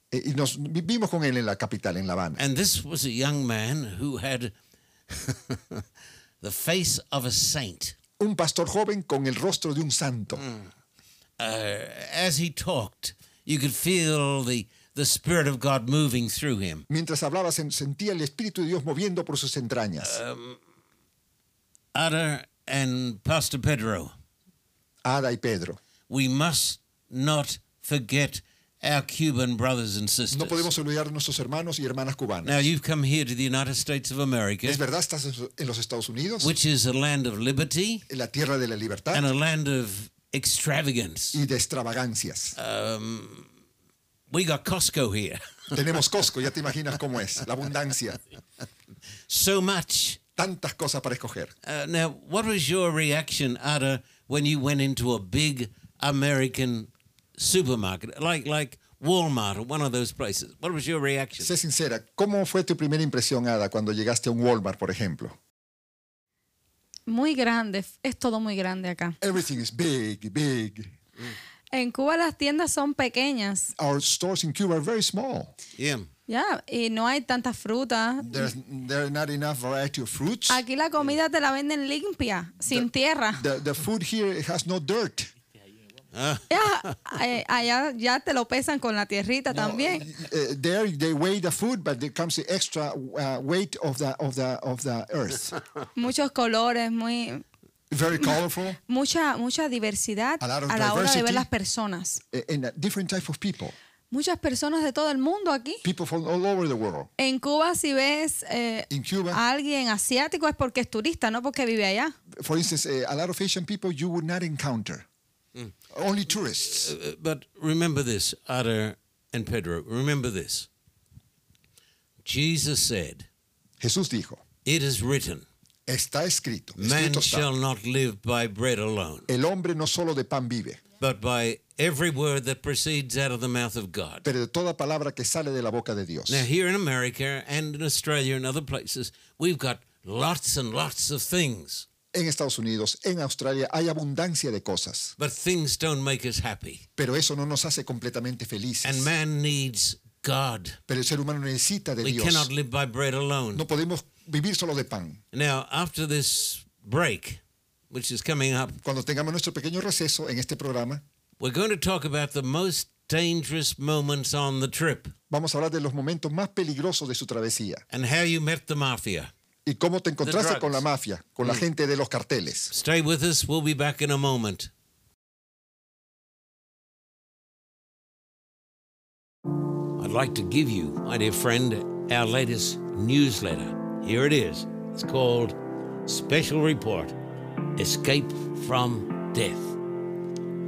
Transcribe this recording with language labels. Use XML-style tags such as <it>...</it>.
<es>Y nos vimos con él en la capital, en La Habana.</es> <en>And this was a young man who had the face of a saint.</en> <es>Un pastor joven con el rostro de un santo. Mm.</es> <en>As he talked, you could feel the Spirit of God moving through him.</en> <es>Mientras hablaba, sentía el Espíritu de Dios moviendo por sus entrañas.</es> <en>Ada and Pastor Pedro.</en> <es>Ada y Pedro.</es> <en>We must not forget our Cuban brothers and sisters.</en> <es>No podemos olvidar nuestros hermanos y hermanas cubanas.</es> <en>Now you've come here to the United States of America.</en> <es>Es verdad, estás en los Estados Unidos.</es> <en>Which is a land of liberty.</en> <es>La tierra de la libertad.</es> <en>And a land of extravagance.</en> <es>Y de extravagancias.</es> <en>We got Costco here.</en> <es>Tenemos Costco, ya te imaginas cómo es, la abundancia.</es> <en>So much.</en> <es>Tantas cosas para escoger.</es> <en>Now, what was your reaction, Ada, when you went into a big American supermarket, like Walmart, one of those places. What was your reaction?</en> <es>Sé sincera, ¿cómo fue tu primera impresión, Ada, cuando llegaste a un Walmart, por ejemplo? Muy grande, es todo muy grande acá.</es> <en>Everything is big, big.</en> <es>En Cuba las tiendas son pequeñas.</es> <en>Our stores in Cuba are very small. Yeah.</en> <es>Yeah, y no hay tanta fruta.</es> <en>There are not enough variety of fruits.</en> <es>Aquí la comida te la venden limpia, sin tierra.</es> <en>The food here has no dirt.</en> <es>Allá ya te lo pesan con la tierrita también.</es> <en>There they weigh the food, but there comes the extra weight of the earth.</en> <es>Muchos colores, muy.</es> <en>Very colorful.</en> <es>Mucha diversidad a la hora de ver las personas.</es> <en>And different type of people.</en> <es>Muchas personas de todo el mundo aquí.</es> <en>People from all over the world.</en> <es>En Cuba, si ves a alguien asiático, es porque es turista, no porque vive allá.</es> <en>For instance, a lot of Asian people you would not encounter. Mm. Only tourists. But remember this, Ada and Pedro, remember this. Jesus said,</en> <es>Jesús dijo,</es> <en>it is written,</en> <es>está escrito,</es> <en>man</en> <es>está.</es> <en>Shall not live by bread alone,</en> <es>el hombre no solo de pan vive,</es> <en>but by every word that proceeds out of the mouth of God.</en> <es>Pero de toda palabra que sale de la boca de Dios.</es> <en>Now here in America and in Australia and other places, we've got lots and lots of things.</en> <es>En Estados Unidos, en Australia, hay abundancia de cosas.</es> <en>But things don't make us happy.</en> <es>Pero eso no nos hace completamente felices.</es> <en>And man needs God.</en> <es>Pero el ser humano necesita de</es> <en>We</en> <es>Dios.</es> <en>We cannot live by bread alone.</en> <es>No podemos vivir solo de pan.</es> <en>Now, after this break, which is coming up,</en> <es>cuando tengamos nuestro pequeño receso en este programa,</es> <en>we're going to talk about the most dangerous moments on the trip.</en> <es>Vamos a hablar de los momentos más peligrosos de su travesía.</es> <en>And how you met the mafia.</en> <es>Y cómo te encontraste con la mafia, con la gente de los carteles.</es> <en>Stay with us, we'll be back in a moment. I'd like to give you, my dear friend, our latest newsletter. Here it is. It's called Special Report, Escape from Death.</en>